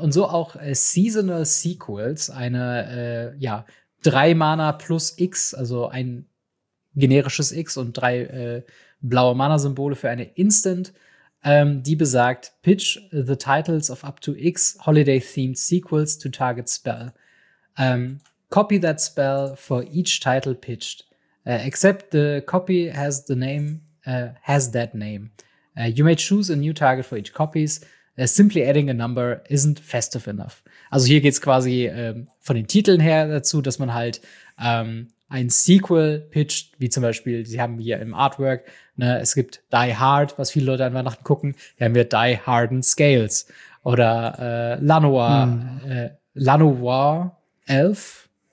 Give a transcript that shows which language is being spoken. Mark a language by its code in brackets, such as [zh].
[de] Und so auch Seasonal Sequels, eine 3 Mana plus X, also ein generisches X und 3 blaue Mana-Symbole für eine Instant, die besagt, [en] pitch the titles of up to X holiday-themed sequels to target spell. Copy that spell for each title pitched. Except the copy has the name, has that name. You may choose a new target for each copies. Simply adding a number isn't festive enough. [de] Also hier geht's quasi von den Titeln her dazu, dass man halt ein Sequel pitcht, wie zum Beispiel, sie haben hier im Artwork, ne, es gibt Die Hard, was viele Leute an Weihnachten gucken. Hier haben wir Die Hard and Scales. Oder Lanoir Elf.